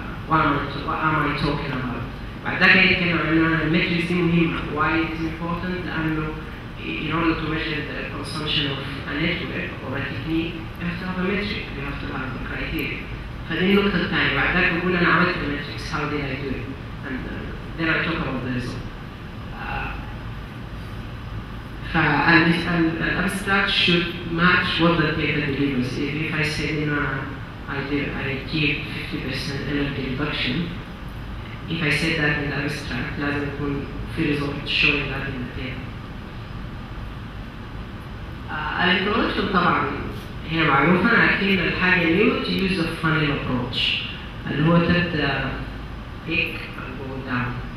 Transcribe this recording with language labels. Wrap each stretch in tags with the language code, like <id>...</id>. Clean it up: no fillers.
<en>What am I talking about؟</en> <ar>بعد ذاك يتكلم عن أن المتريكس دي مهمة.</ar> <en>Why it's important؟ لأنه in order to measure the consumption of a network or a technique, you have to have a metric, you have to have the criteria.</en> <ar>فدي النقطة الثانية. بعد ذلك بقول أنا عملت الماتريكس،</ar> <en>how did I do it؟ And then I talk about the result. فالابستراكت should match what the paper delivers. If I say in I keep 50% energy reduction, if I say that in abstract,</en> <ar>لازم يكون في</ar> <en>result showing that in the paper.</en> <ar>طبعا هي معروفة، لكن الحاجة اللي هو</ar> <en>to use a funnel approach</en> <ar>اللي هو تبدأ هيك</ar> <en>and go down.</en>